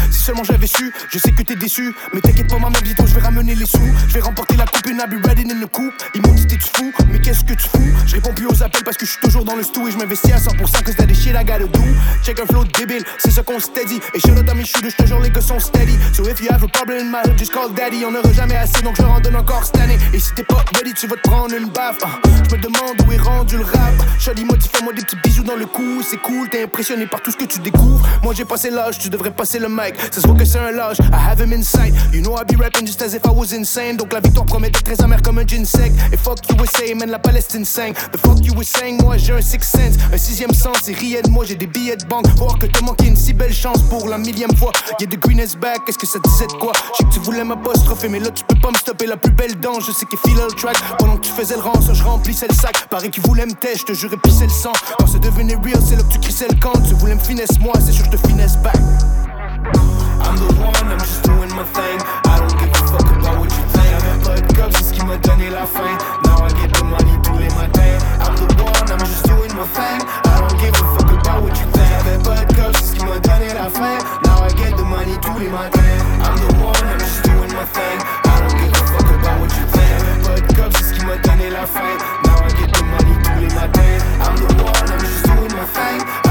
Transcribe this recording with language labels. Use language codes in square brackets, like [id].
[fr] Si seulement j'avais su, je sais que t'es déçu. Mais t'inquiète pas maman, bientôt je vais ramener les sous. Je vais remporter la coupe [en] and I'll be ready in the coup. [fr] Ils m'ont dit t'es fou, mais qu'est-ce que tu fous. Je réponds plus aux appels parce que je suis toujours dans le stou. Et je m'investis à 100% [en] cause that shit I gotta do. [fr] Check un flow débile, c'est ce qu'on steady. Et shalad à mes chutes, je te jure les gars sont steady. [en] So if you have a problem in my hood, just call daddy. [fr] On aura jamais assez donc je me redonne encore cette année. Et si t'es pas ready, tu vas te prendre une baffe. Je me demande où est rendu le rap. Shalad, modifie-moi des petits bisous dans le cou. C'est cool, t'es impressionné par tout ce que tu découvres. Moi j'ai passé l'âge, tu devrais passer le mic. Ça se voit que c'est un lâche, [en] I have him inside. You know I be rapping just as if I was insane. [fr] Donc la victoire promet d'être très amère comme un ginseng. [en] Et fuck you were saying, man, [fr] la Palestine sang. [en] The fuck you were saying, [fr] moi j'ai un [en] sixth sense. [fr] Un sixième sens, et riez de moi, j'ai des billets de banque. Voir que t'as manqué une si belle chance pour la millième fois. [en] Yeah, the green is back, [fr] est-ce que ça disait de quoi. Je sais que tu voulais m'apostropher, mais là tu peux pas me stopper. La plus belle danse, je sais qu'il file le track. Pendant que tu faisais le rang, je remplissais le sac. Pareil qu'il voulait me tèche, je te jurais pisser le sang. Quand c'est devenu real, c'est là que tu crissais le camp. Tu voulais me finesse, moi, c'est sûr que je te finesse back. [en] I'm the one, I'm just doing my thing. I don't give a fuck about what you think. [fr] J'avais pas de cop, c'est ce qui m'a donné la fin. [en] Now I get the money [fr] tous les matins. [en] I'm the one, I'm just doing my thing. I don't give a fuck about what you think. [fr] J'avais pas de cop, c'est ce qui m'a donné la fin. [en] Now I get the money [fr] tous les matins. [en] I'm the one, I'm just doing my thing. I don't give a fuck about what you think. [fr] J'avais pas de cop, c'est ce qui m'a donné la fin. [en] Now I get the money [fr] tous les matins. [en] I'm the one, I'm just doing my thing.